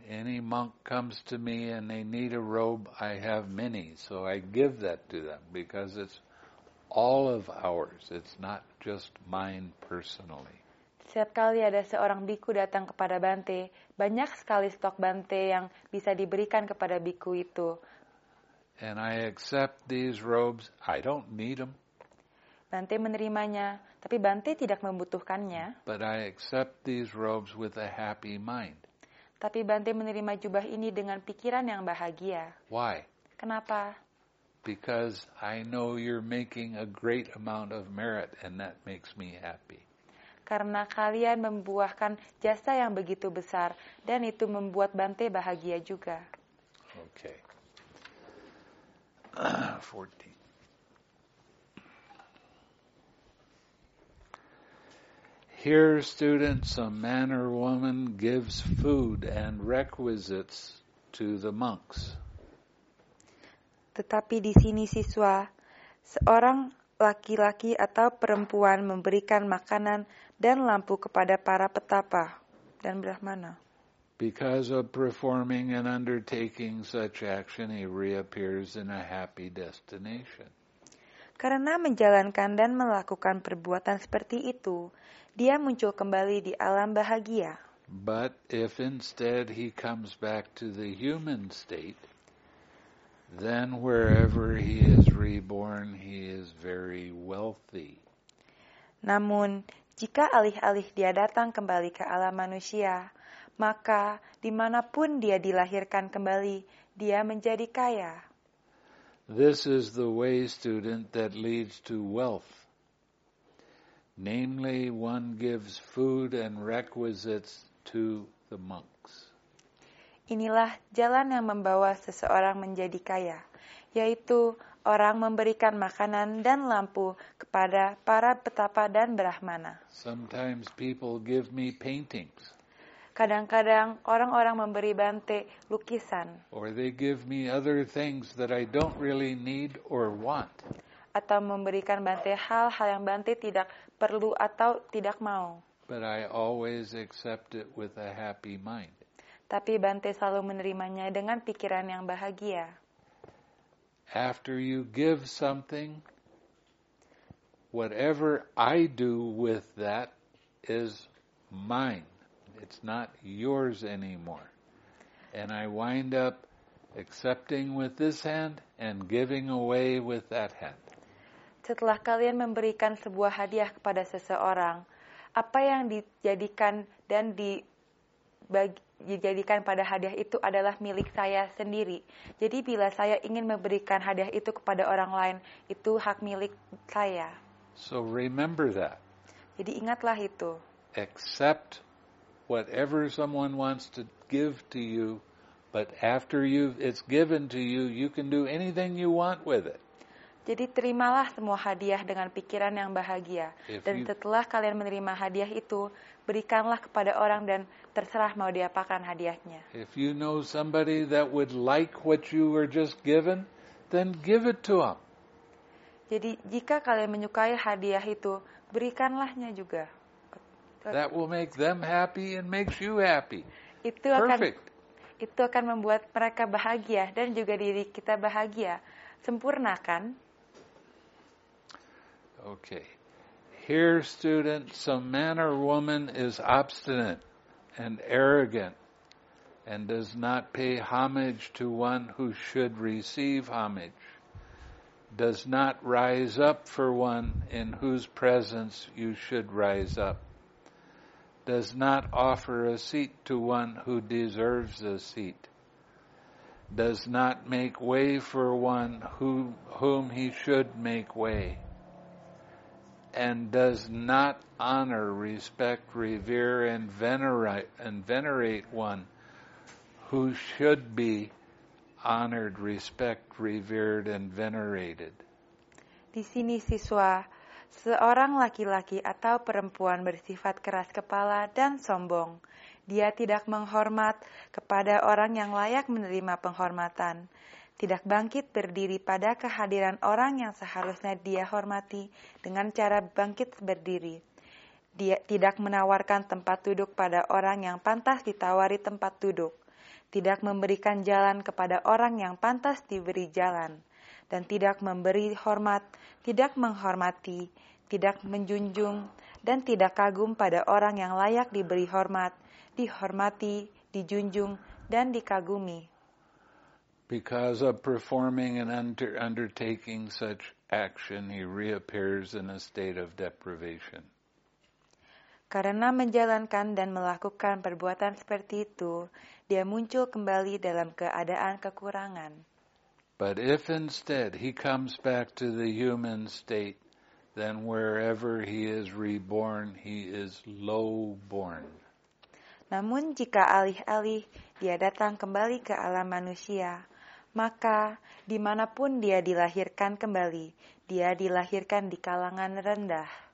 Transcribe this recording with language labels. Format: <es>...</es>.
<en>Any monk comes to me and they need a robe, I have many, so I give that to them because it's all of ours. It's not just mine personally.</en> <id>Setiap kali ada seorang biku datang kepada Bante, banyak sekali stok Bante yang bisa diberikan kepada biku itu.</id> <en>And I accept these robes. I don't need them.</en> <id>Bante menerimanya, tapi Bante tidak membutuhkannya.</id> <en>But I accept these robes with a happy mind.</en> <id>Tapi Bante menerima jubah ini dengan pikiran yang bahagia.</id> <en>Why?</en> <id>Kenapa?</id> <en>Because I know you're making a great amount of merit and that makes me happy.</en> <id>Karena kalian membuahkan jasa yang begitu besar dan itu membuat Bante bahagia juga.</id> <en>Okay. 14. Here, students, a man or woman gives food and requisites to the monks.</en> <id>Tetapi di sini siswa, seorang laki-laki atau perempuan memberikan makanan dan lampu kepada para petapa dan brahmana.</id> <en>Because of performing and undertaking such action, he reappears in a happy destination.</en> <id>Karena menjalankan dan melakukan perbuatan seperti itu, dia muncul kembali di alam bahagia.</id> <en>But if instead he comes back to the human state, then wherever he is reborn, he is very wealthy.</en> <id>Namun, jika alih-alih dia datang kembali ke alam manusia, maka dimanapun dia dilahirkan kembali, dia menjadi kaya.</id> <en>This is the way, student, that leads to wealth. Namely, one gives food and requisites to the monks.</en> <id>Inilah jalan yang membawa seseorang menjadi kaya, yaitu orang memberikan makanan dan lampu kepada para petapa dan brahmana.</id> <en>Sometimes people give me paintings.</en> <id>Kadang-kadang orang-orang memberi Bante lukisan.</id> <en>Or they give me other things that I don't really need or want.</en> <id>Atau memberikan Bante hal-hal yang Bante tidak perlu atau tidak mau.</id> <en>But I always accept it with a happy mind.</en> <id>Tapi Bante selalu menerimanya dengan pikiran yang bahagia.</id> <en>After you give something, whatever I do with that is mine. It's not yours anymore. And I wind up accepting with this hand and giving away with that hand.</en> <id>Setelah kalian memberikan sebuah hadiah kepada seseorang, apa yang dijadikan dan dijadikan pada hadiah itu adalah milik saya sendiri. Jadi bila saya ingin memberikan hadiah itu kepada orang lain, itu hak milik saya.</id> <en>So remember that.</en> <id>Jadi ingatlah itu.</id> <en>Accept whatever someone wants to give to you, but after it's given to you, you can do anything you want with it.</en> <id>Jadi terimalah semua hadiah dengan pikiran yang bahagia. Dan setelah kalian menerima hadiah itu, berikanlah kepada orang dan terserah mau diapakan hadiahnya.</id> <en>If you know somebody that would like what you were just given, then give it to them.</en> <id>Jadi jika kalian menyukai hadiah itu, berikanlahnya juga.</id> <en>That will make them happy and makes you happy.</en> <id>Itu akan membuat mereka bahagia dan juga diri kita bahagia. Sempurna kan?</id> <en>Okay. Here, student, some man or woman is obstinate and arrogant and does not pay homage to one who should receive homage, does not rise up for one in whose presence you should rise up, does not offer a seat to one who deserves a seat, does not make way for one whom he should make way, and does not honor, respect, revere, and venerate one who should be honored, respect, revered, and venerated.</en> <id>Di sini siswa, seorang laki-laki atau perempuan bersifat keras kepala dan sombong. Dia tidak menghormat kepada orang yang layak menerima penghormatan. Tidak bangkit berdiri pada kehadiran orang yang seharusnya dia hormati dengan cara bangkit berdiri. Dia tidak menawarkan tempat duduk pada orang yang pantas ditawari tempat duduk. Tidak memberikan jalan kepada orang yang pantas diberi jalan. Dan tidak memberi hormat, tidak menghormati, tidak menjunjung, dan tidak kagum pada orang yang layak diberi hormat, dihormati, dijunjung, dan dikagumi.</id> <en>Because of performing and undertaking such action, he reappears in a state of deprivation.</en> <id>Karena menjalankan dan melakukan perbuatan seperti itu, dia muncul kembali dalam keadaan kekurangan.</id> <en>But if instead he comes back to the human state, then wherever he is reborn, he is low-born.</en> <id>Namun jika alih-alih dia datang kembali ke alam manusia, maka dimanapun dia dilahirkan kembali, dia dilahirkan di kalangan rendah.</id>